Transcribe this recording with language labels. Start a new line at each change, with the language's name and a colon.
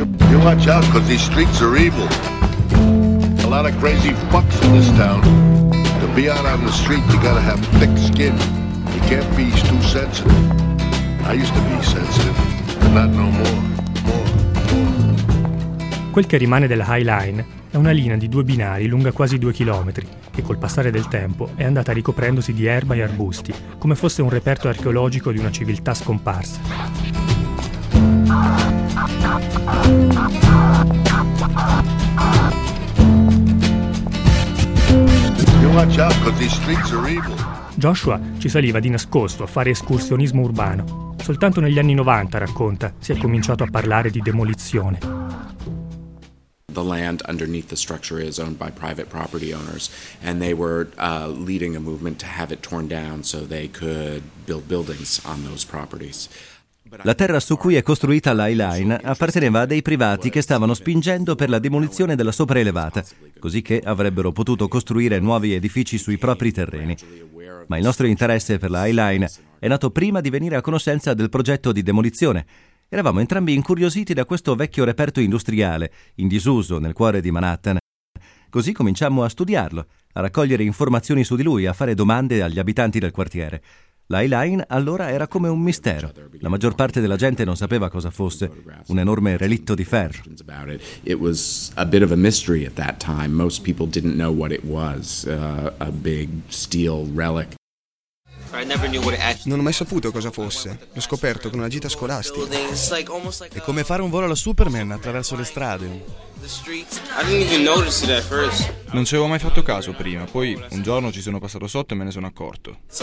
English: You watch out, 'cause these streets are evil. A lot of crazy fucks in this town. To be out on the street, you gotta have thick skin. You can't be too sensitive. I used to be sensitive, but not no more.
Italian: quel che rimane della High Line è una linea di due binari lunga quasi 2 chilometri, che col passare del tempo è andata ricoprendosi di erba e arbusti, come fosse un reperto archeologico di una civiltà scomparsa. Joshua ci saliva di nascosto a fare escursionismo urbano. Soltanto negli anni 90, racconta, si è cominciato a parlare di demolizione.
English: The land underneath the structure is owned by private property owners, and they were leading a movement to have it torn down so they could build buildings on those properties.
Italian: La terra su cui è costruita la High Line apparteneva a dei privati che stavano spingendo per la demolizione della sopraelevata, cosicché avrebbero potuto costruire nuovi edifici sui propri terreni. Ma il nostro interesse per la High Line è nato prima di venire a conoscenza del progetto di demolizione. Eravamo entrambi incuriositi da questo vecchio reperto industriale, in disuso nel cuore di Manhattan. Così cominciammo a studiarlo, a raccogliere informazioni su di lui, a fare domande agli abitanti del quartiere. La High Line allora era come un mistero. La maggior parte della gente non sapeva cosa fosse, un enorme relitto di ferro.
English: It was a bit of a mystery at that time. Most people didn't know what it was, a big steel relic.
Italian: Non ho mai saputo cosa fosse. L'ho scoperto con una gita scolastica. È come fare un volo alla Superman attraverso le strade. Non ci avevo mai fatto caso prima. Poi un giorno ci sono passato sotto e me ne sono accorto.